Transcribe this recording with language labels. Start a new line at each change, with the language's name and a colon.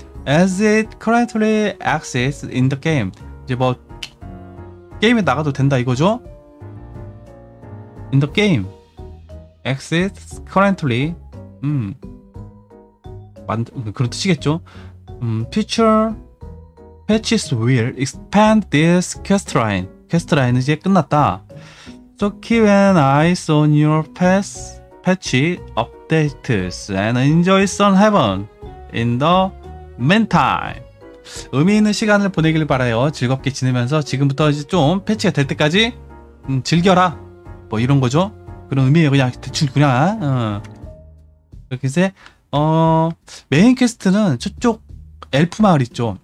English: As it currently exists in the game.
Korean: 이제 뭐 게임에 나가도 된다 이거죠?
English: In the game. Exists currently.
Korean: 그런 뜻이겠죠?
English: Future patches will expand this quest line.
Korean: Quest line 이제 끝났다.
English: So keep an eye on your patch updates and enjoy sun heaven in the meantime.
Korean: 의미 있는 시간을 보내길 바라요. 즐겁게 지내면서 지금부터 이제 좀 패치가 될 때까지 즐겨라 뭐 이런 거죠. 그런 의미예요. 그냥 대충 그냥 이렇게 해서 메인 퀘스트는 저쪽 엘프 마을 있죠.